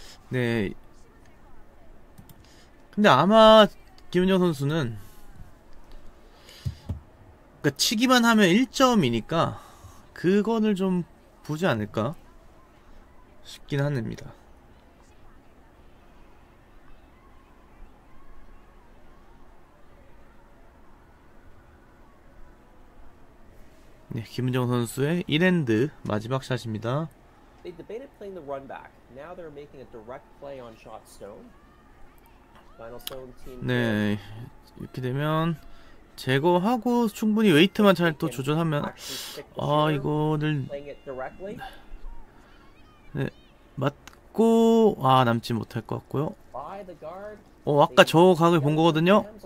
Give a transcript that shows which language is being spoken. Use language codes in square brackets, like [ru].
[ko] 네, 근데 아마 김은영 선수는 그러니까 치기만 하면 1점이니까 그거를 좀 보지 않을까 싶긴 합니다. 네, 김은영 선수의 1엔드 마지막 샷입니다. [en] They debated playing the run back. Now they're making a direct play on shot stone. [ko] 네, 이렇게 되면 제거하고 충분히 웨이트만 잘 또 조절하면. 아, 이거를 네, 맞고. 아, 남지 못할 것 같고요. 어, 아까 저 각을 본 거거든요.